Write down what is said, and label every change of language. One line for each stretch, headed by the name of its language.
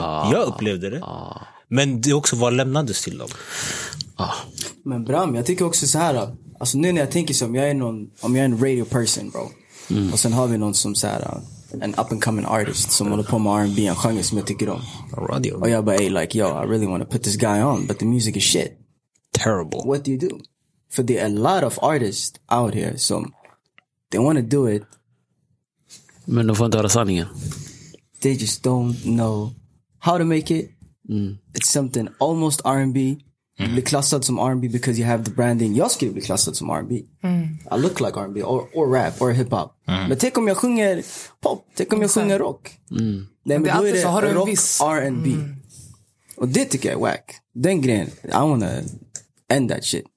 Swedish: Jag upplevde det. Men det är också vad lämnades till dem. Men Bram, jag tycker också så här. Alltså nu när jag tänker så, om jag är en radio person, bro. Och sen har vi någon som så här, en up and coming artist som håller på med R&B, en genre som jag tycker om. Radio. Och jag bara,
English: hey, like, yo, I really want to put this guy on, but the music is shit. Terrible. What do you do? For there are a lot of artists out here som they want to do it.
Swedish: Men de får inte höra sanningen.
English: They just don't know how to make it. It's something almost R&B. Mm.
Swedish: Bli klassad som R&B
English: because you have the branding.
Swedish: Jag skulle bli klassad som R&B. Mm.
English: I look like R&B or rap or hiphop. Mm.
Swedish: Men tänk om jag sjunger pop. Tänk om jag sjunger rock. Mm. Nej, men då är det så rock, viss... R&B. Mm. Och det tycker jag är whack. Den grejen,
English: I wanna end that shit.